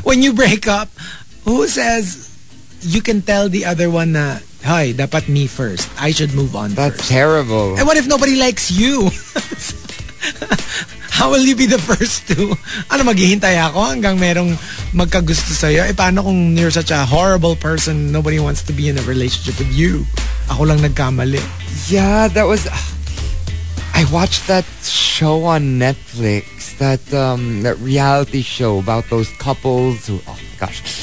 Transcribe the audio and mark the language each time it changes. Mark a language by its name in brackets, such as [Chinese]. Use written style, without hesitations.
[English] When you break up, who says you can tell the other one na, hey, dapat me first. I should move on That's first. That's terrible. And what if nobody likes you? How will you be the first to? [Filipino] Ano, maghihintay ako hanggang merong magkagusto sa'yo? Eh, paano kung [English] you're such a horrible person, nobody wants to be in a relationship with you? [Filipino] Ako lang nagkamali. [English] Yeah, that was... I watched that show on Netflix, that reality show about those couples who... Oh, gosh.